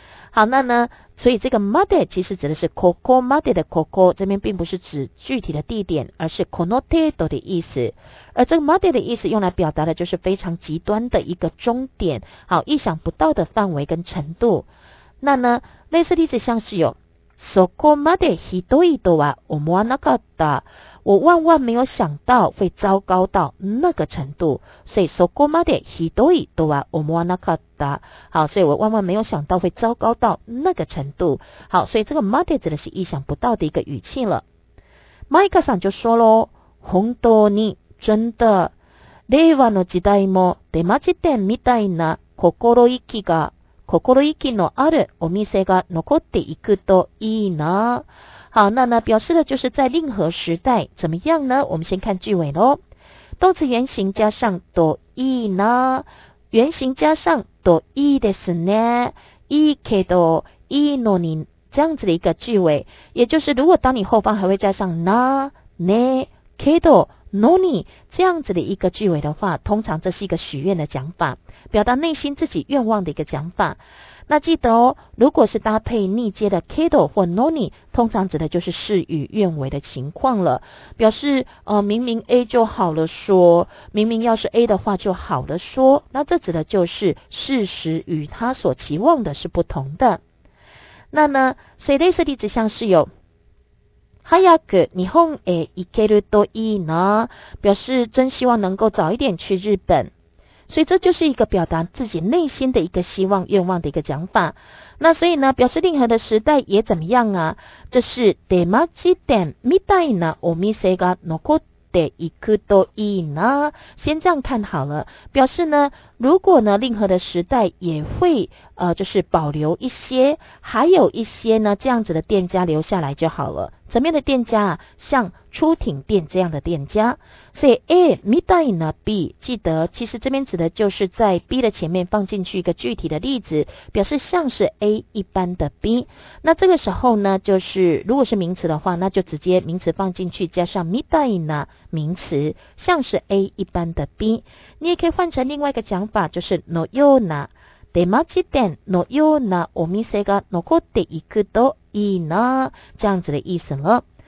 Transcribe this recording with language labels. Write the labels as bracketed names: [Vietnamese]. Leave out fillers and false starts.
[Chinese] 好，那呢所以这个 made 其实指的是 ここまで 的 ここ，这边并不是指具体的地点，而是この程度的意思。而这个 made 的意思用来表达的就是非常极端的一个终点，好，意想不到的范围跟程度。那呢类似例子像是有 [Japanese] そこまでひどいとは思わなかった， [Chinese] 我万万没有想到会糟糕到那个程度，所以 [Japanese] そこまでひどいとは思わなかった。 [Chinese] 好，所以我万万没有想到会糟糕到那个程度。好，所以这个まで指的是意想不到的一个语气了。マイカさん就说咯， [Japanese] 本当に [Chinese] 真的， [Japanese] 令和の時代も出町店みたいな心意気のあるお店が残っていくといいな。 [Chinese] 好，那呢表示的就是在令和时代怎么样呢？我们先看句尾咯，动词原型加上多いいな，原型加上多いいですね，いいけどいいのに，这样子的一个句尾，也就是如果当你后方还会加上なねけどのに，这样子的一个句尾的话，通常这是一个许愿的讲法，表达内心自己愿望的一个讲法。那记得哦，如果是搭配逆接的 kido 或 noni， 通常指的就是事与愿违的情况了，表示明明 A 就好了说，明明要是 A 的话就好了说，那这指的就是事实与他所期望的是不同的。那呢所以类似例子像是有 [Japanese] 早く日本へ行けるといいな， [Chinese] 表示真希望能够早一点去日本。所以这就是一个表达自己内心的一个希望愿望的一个讲法。那所以呢表示令和的时代也怎么样啊，这是 [Japanese] 出町店みたいなお店が残っていくといいな， [Chinese] 先这样看好了，表示呢如果呢令和的时代也会就是保留一些，还有一些呢这样子的店家留下来就好了。怎么样的店家啊？像出庭店这样的店家。所以 A 見たいな B， 记得其实这边指的就是在 B 的前面放进去一个具体的例子，表示像是 A 一般的 B。那这个时候呢就是如果是名词的话，那就直接名词放进去加上見たいな名词，像是 A 一般的 B。你也可以换成另外一个讲法，就是 [Japanese] のような出町店のようなお店が残っていくといいな， [Chinese] 这样子的意思了。